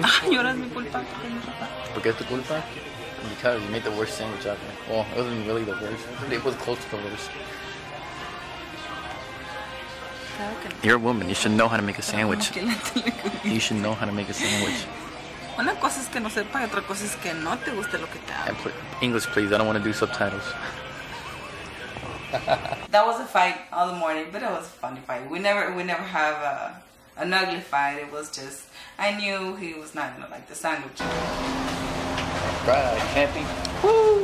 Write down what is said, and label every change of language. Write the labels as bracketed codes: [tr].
[es] Lloras mi culpa. ¿Por qué es tu culpa? [en] Because you made the worst sandwich ever. Well, it wasn't really the worst. It was close to the worst. You're a woman. You should know how to make a sandwich. You should know how to make a sandwich. [es] Una cosa es que no sepa y otra cosa es que no te guste lo que te hago. [en] English, please. I don't want to do subtitles. That was a fight all the morning, but it was a funny fight. We never have an ugly fight. It was just, I knew he was not going to like the sandwich. Right, happy. Woo!